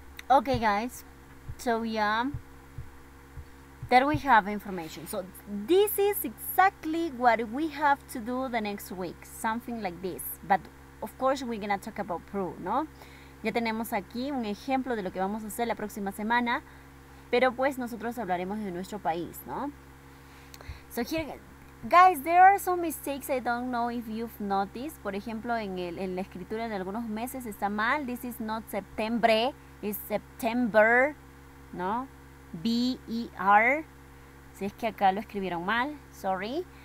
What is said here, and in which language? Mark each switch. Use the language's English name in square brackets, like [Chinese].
[English] Okay, guys. So, yeah. There we have information. So, this is exactly what we have to do the next week. Something like this. But, of course, we're going to talk about Peru, no? [Spanish] Ya tenemos aquí un ejemplo de lo que vamos a hacer la próxima semana, pero pues nosotros hablaremos de nuestro país, ¿no? [English] So here, guys, there are some mistakes I don't know if you've noticed. [Spanish] Por ejemplo, en la escritura de algunos meses está mal. [English] This is not September, it's September, ¿no? [Spanish] B-E-R. Si es que acá lo escribieron mal, [English] sorry.